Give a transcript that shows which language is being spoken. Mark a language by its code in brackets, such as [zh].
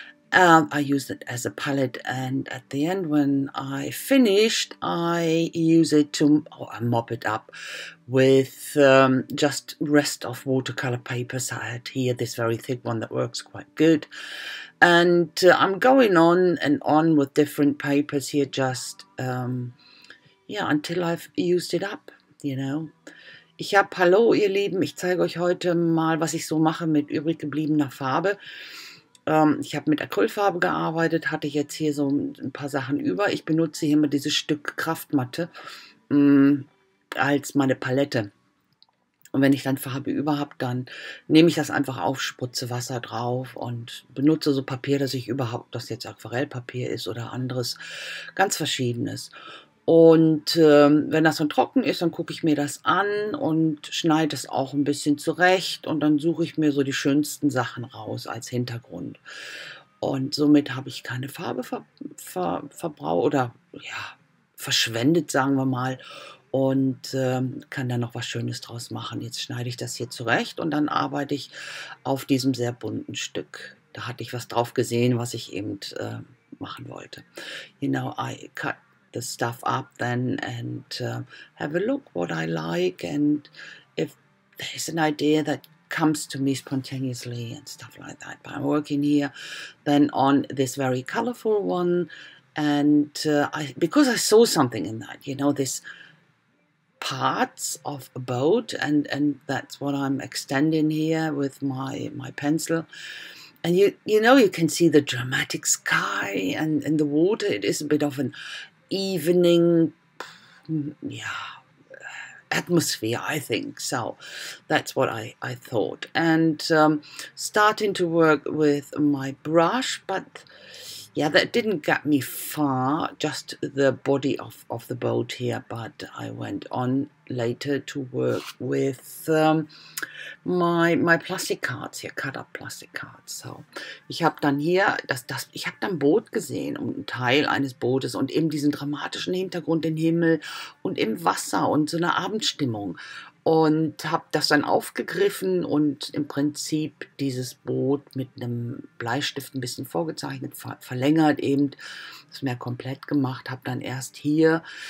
[en] I used it as a palette, and at the end when I finished, I use it to mop it up with just rest of watercolor papers. I had here this very thick one that works quite good. And I'm going on and on with different papers here just until I've used it up, you know. [de] Hallo ihr Lieben, ich zeige euch heute mal, was ich so mache mit übrig gebliebener Farbe. Ich habe mit Acrylfarbe gearbeitet, hatte jetzt hier so ein paar Sachen über. Ich benutze hier immer dieses Stück Kraftmatte als meine Palette. Und wenn ich dann Farbe über habe, dann nehme ich das einfach auf, spritze Wasser drauf und benutze so Papier, dass ich überhaupt, das jetzt Aquarellpapier ist oder anderes, ganz verschiedenes. Und wenn das dann trocken ist, dann gucke ich mir das an und schneide es auch ein bisschen zurecht. Und dann suche ich mir so die schönsten Sachen raus als Hintergrund. Und somit habe ich keine Farbe verbraucht oder verschwendet, sagen wir mal. Und kann dann noch was Schönes draus machen. Jetzt schneide ich das hier zurecht und dann arbeite ich auf diesem sehr bunten Stück. Da hatte ich was drauf gesehen, was ich eben machen wollte. Genau, [en] I cut the stuff up then and have a look what I like and if there's an idea that comes to me spontaneously and stuff like that. But I'm working here then on this very colorful one, and because I saw something in that, you know, this parts of a boat, and that's what I'm extending here with my pencil. And you know, you can see the dramatic sky and the water. It is a bit of an evening atmosphere, I think. So that's what I thought. And starting to work with my brush, but yeah, that didn't get me far, just the body of the boat here. But I went on later to work with my plastic cards here, cut up plastic cards. [de] So ich habe dann hier ich habe dann Boot gesehen und ein Teil eines Bootes und eben diesen dramatischen Hintergrund, den Himmel und im Wasser und so eine Abendstimmung, und habe das dann aufgegriffen und im Prinzip dieses Boot mit einem Bleistift ein bisschen vorgezeichnet, verlängert eben, das mehr komplett gemacht, habe dann erst hier